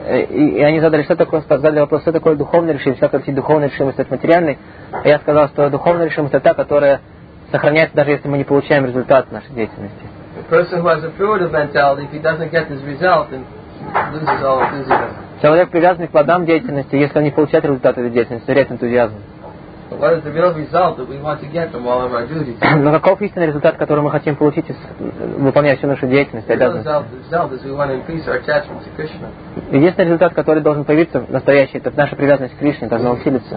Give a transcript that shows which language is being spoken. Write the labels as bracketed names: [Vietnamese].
[Russian] И они задали, что такое, задали вопрос, что такое духовная решимость, как отличить духовную решимость от материальной. И я сказал, что духовная решимость — это та, которая сохраняется, даже если мы не получаем результат нашей деятельности. [English] The person who has a fruitive mentality, if he doesn't get his result, then loses all enthusiasm. [Russian] Человек привязан к плодам деятельности, если он не получает результат этой деятельности, теряет энтузиазм. Но каков истинный результат, который мы хотим получить, выполняя всю нашу деятельность, обязанность? Единственный результат, который должен появиться в настоящий, это наша привязанность к Кришне, должна усилиться.